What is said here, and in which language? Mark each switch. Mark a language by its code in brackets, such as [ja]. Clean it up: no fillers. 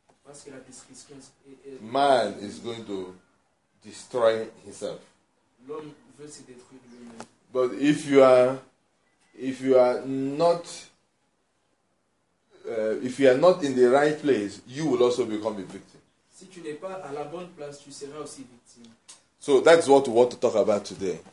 [fr] Parce que la destruction [en] man est... is going to destroy himself. [fr] L'homme veut se détruire lui-même. [en] But if you are not in the right place, you will also become a victim. [fr] Si tu n'es pas à la bonne place, tu seras aussi victime. [en] So that's what we want to talk about today.